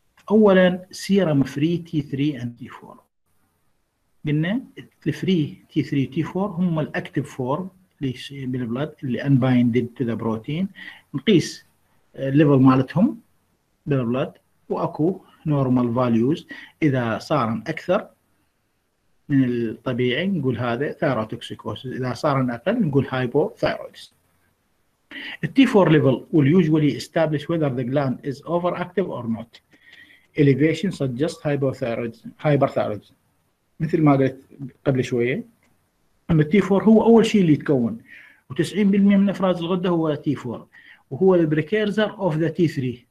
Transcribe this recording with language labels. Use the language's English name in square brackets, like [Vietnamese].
[Arabic] اولا [English] serum free T 3 and T 4، [Arabic] قلنا الفري تي 3 تي 4 هم [English] الاكتيف فورم [Arabic] بالبلد اللي [English] unbinded to the protein, [Arabic] نقيس الليفل مالتهم بالبلد، واكو [English] normal values, [Arabic] اذا صار اكثر من الطبيعي نقول هذا ثايروتوكسيكوسيس، اذا صار اقل نقول هايبو ثايرويدس. [English] التي 4 ليفل will usually establish whether the gland is overactive or not. Elevation suggests hyperthyroidism. [Arabic] مثل ما قلت قبل شوية، أما T4 هو أول شيء اللي يتكون، و90% من أفراز الغدة هو T4، وهو [English] the precursor of the T3.